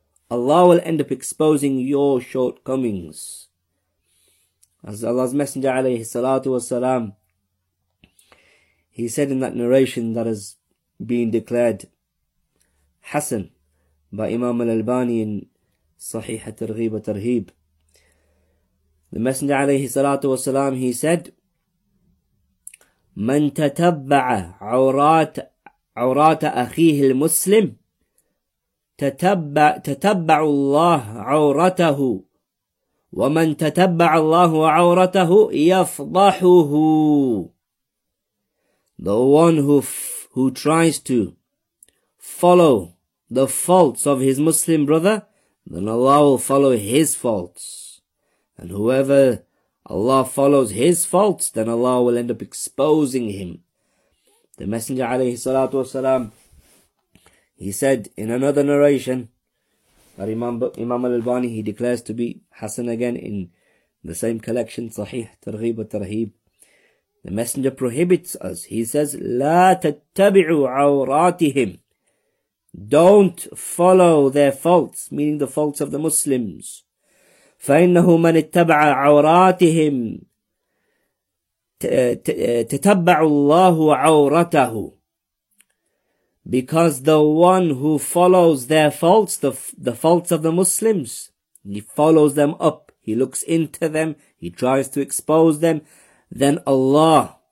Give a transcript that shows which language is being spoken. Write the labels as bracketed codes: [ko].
[en] Allah will end up exposing your shortcomings. As Allah's Messenger alayhi salatu wasalam, he said in that narration that has been declared Hassan by Imam al-Albani in Sahih al-Targhib wa Tarheeb. The Messenger alayhi salatu wasalam, he said, [ar] من تتبع عورات أخيه المسلم تتبع الله عورته ومن تتبع الله عورته يفضحه. [en] The one who tries to follow the faults of his Muslim brother, then Allah will follow his faults. And whoever Allah follows his faults, then Allah will end up exposing him. The Messenger alayhi salatu wasalam, he said in another narration, that Imam al-Albani, he declares to be Hassan again in the same collection, Sahih, Targhib wa Tarheeb. The Messenger prohibits us. He says, [ar] لا تتبعوا عوراتهم. [en] Don't follow their faults, meaning the faults of the Muslims. [ar] فَإِنَّهُ مَنِ اتَّبَعَ عَوْرَاتِهِمْ تَتَبَّعُ اللَّهُ عَوْرَتَهُ. [en] Because the one who follows their faults, the faults of the Muslims, he follows them up, he looks into them, he tries to expose them, then Allah